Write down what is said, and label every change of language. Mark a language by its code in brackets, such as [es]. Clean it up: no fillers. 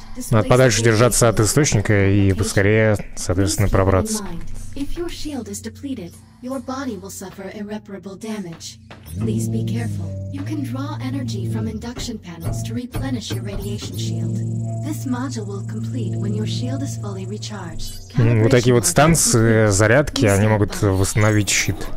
[ru] Надо подальше держаться от источника и поскорее, соответственно, пробраться. [en] If your shield is depleted, your body will suffer irreparable damage. Please be careful. You can draw energy from induction panels to replenish your radiation shield. This module will complete when your shield is fully recharged. [ru] Вот такие вот станции зарядки, они могут восстановить щит.